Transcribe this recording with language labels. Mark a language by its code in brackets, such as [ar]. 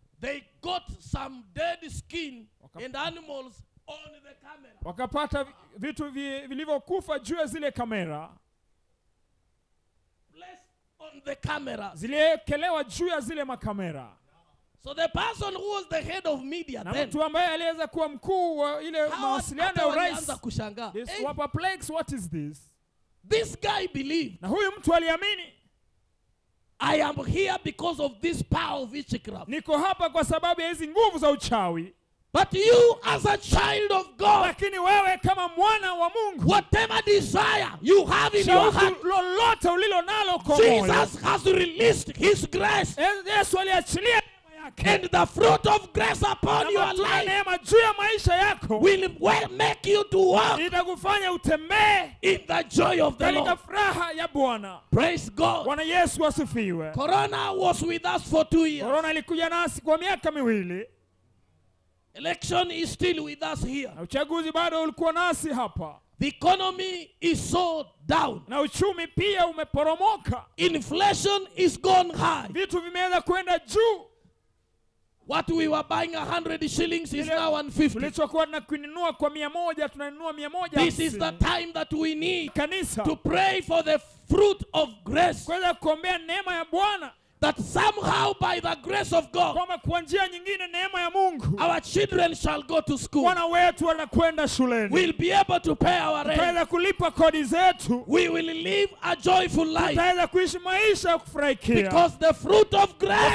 [en] they got some dead skin and animals on the camera. [sw] Wakapata vitu vilivyokufa juu ya zile kamera. [en] On the camera. [sw] Ziliekelewa juu ya zile makamera. [en] So the person who was the head of media [sw] na [en] then. [sw] Na mtu ambaye aliweza kuwa mkuu wa ile mawasiliano ya rais. Anaanza kushangaa. [en] This was perplex, what is this? This guy believed. [sw] Na huyu mtu aliamini. [en] I am here because of this power of witchcraft. [sw] Niko hapa kwa sababu ya hizi nguvu za uchawi. [en] But you as a child of God. [sw] Lakini wewe kama mwana wa Mungu. [en] Whatever desire you have in your heart. [sw] Lolote ulilo nalo kwa moyo. [en] Jesus has released his grace. [sw] Yesu aliachilia neema yake. [en] And the fruit of grace upon your life. [sw] Na neema juu ya maisha yako. [en] Will make you to walk. [sw] Itakufanya utembee. [en] In the joy of the Lord. [sw] Katika furaha ya Bwana. [en] Praise God. [sw] Bwana Yesu asifiwe. [en] Corona was with us for 2 years. [sw] Corona ilikuja nasi kwa miaka miwili. [en] Election is still with us here. [sw] Na uchaguzi bado ulikuwa nasi hapa. [en] The economy is so down. [sw] Na uchumi pia umeporomoka. [en] Inflation is gone high. [sw] Vitu vimeenda kwenda juu. [en] What we were buying 100 shillings is now 150. [sw] Tulichokuwa tunanunua kwa 100 tunanunua 100. [en] This is the time that we need [sw] kanisa [en] to pray for the fruit of grace. [sw] Kwenda kuombea neema ya Bwana. [en] That somehow by the grace of God, [sw] kama kwa njia nyingine neema ya Mungu, [en] our children shall go to school. [sw] Wana wetu wanakwenda shuleni. [en] We'll be able to pay our rent. [sw] Tutaweza kulipa kodi zetu. [en] We will live a joyful life. [sw] Tutaweza kuishi maisha ya kufurahikia. [en] Because the fruit of grace,